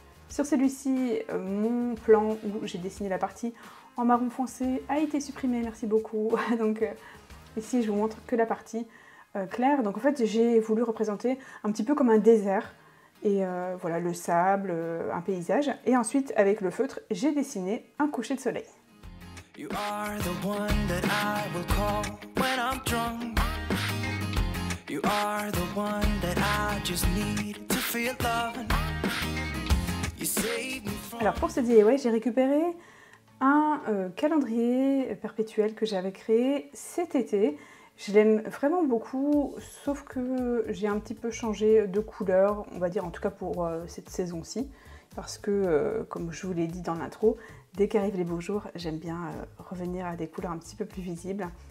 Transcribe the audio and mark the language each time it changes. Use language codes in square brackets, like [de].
[fr] Sur celui-ci, mon plan où j'ai dessiné la partie en marron foncé a été supprimé. Merci beaucoup. Donc ici, je vous montre que la partie claire. Donc en fait, j'ai voulu représenter un petit peu comme un désert. Et voilà, le sable, un paysage. Et ensuite, avec le feutre, j'ai dessiné un coucher de soleil. [en] You are the one that I will call when I'm drunk. You are the one that I just need to feel love. You save me from... [fr] Alors pour ce DIY, j'ai récupéré un calendrier perpétuel que j'avais créé cet été. Je l'aime vraiment beaucoup, sauf que j'ai un petit peu changé de couleur, on va dire en tout cas pour cette saison-ci, parce que, comme je vous l'ai dit dans l'intro, dès qu'arrivent les beaux jours, j'aime bien revenir à des couleurs un petit peu plus visibles.